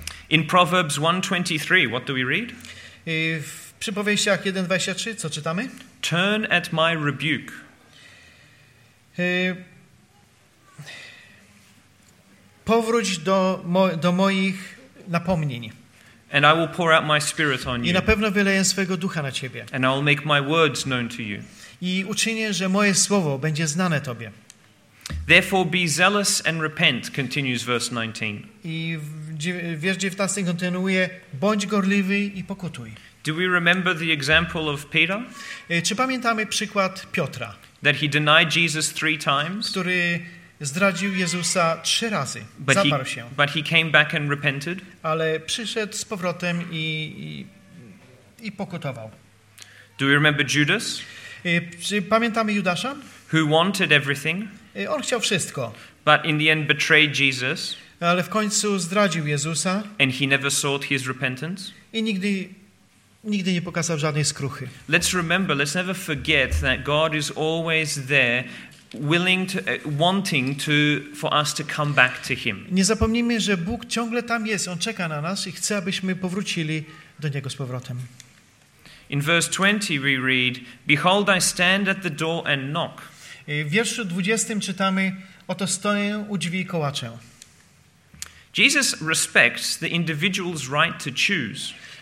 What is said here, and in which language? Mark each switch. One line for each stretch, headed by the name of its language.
English: In Proverbs 1:23, what do we read?
Polish: W Przypowieściach 1:23, co czytamy?
English: Turn at my rebuke.
Polish: Powróć do moich napomnień.
English: And I will pour out my spirit on you.
Polish: I na pewno wyleję swego ducha na ciebie.
English: And I will make my words known to you.
Polish: I uczynię, że moje słowo będzie znane tobie.
English: Therefore be zealous and repent, continues verse 19.
Polish: I wiersz 19 kontynuuje, bądź gorliwy i pokutuj.
English: Do we remember the example of Peter?
Polish: Czy pamiętamy przykład Piotra?
English: That he denied Jesus 3 times?
Polish: Który zdradził Jezusa 3 razy, zaparł się.
English: But he came back and repented?
Polish: Ale przyszedł z powrotem i pokutował.
English: Do we remember Judas?
Polish: Czy pamiętamy Judasza?
English: Who wanted everything?
Polish: On chciał wszystko.
English: But in the end betrayed Jesus.
Polish: Ale w końcu zdradził Jezusa.
English: And he never sought his repentance.
Polish: I nigdy nie pokazał żadnej skruchy.
English: Let's remember, let's never forget that God is always there, willing to, wanting to, for us to come back to him.
Polish: Nie zapomnijmy, że Bóg ciągle tam jest, on czeka na nas i chce, abyśmy powrócili do niego z powrotem.
English: In verse 20 we read, behold, I stand at the door and knock.
Polish: W wierszu 20 czytamy, oto stoję u drzwi i kołaczę.
English: Jesus respects the individual's right to choose.